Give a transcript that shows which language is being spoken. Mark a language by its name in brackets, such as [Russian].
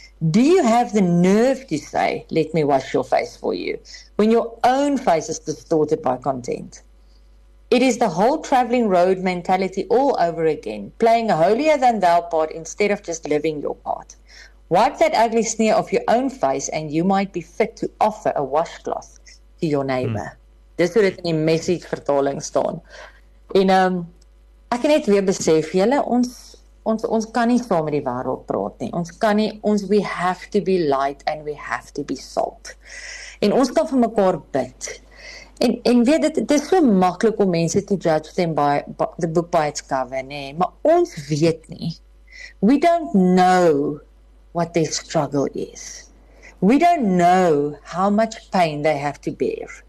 [English] Do you have the nerve to say, let me wash your face for you, when your own face is distorted by contempt? It is the whole traveling road mentality all over again, playing a holier-than-thou part instead of just living your part. Wipe that ugly sneer off your own face and you might be fit to offer a washcloth to your neighbor. [Afrikaans] Dis hoe dit in die message vertaling staan. En ek het net weer besef, julle, ons kan nie saam met die wêreld praat nie. Ons kan nie, ons [English] we have to be light and we have to be salt. [Afrikaans] En ons kan vir mekaar bid. En weet dit, dit is so maklik om mense te [English] judge them by the book by its cover, [Afrikaans] nee. Maar ons weet nie. [English] We don't know what their struggle is. We don't know how much pain they have to bear.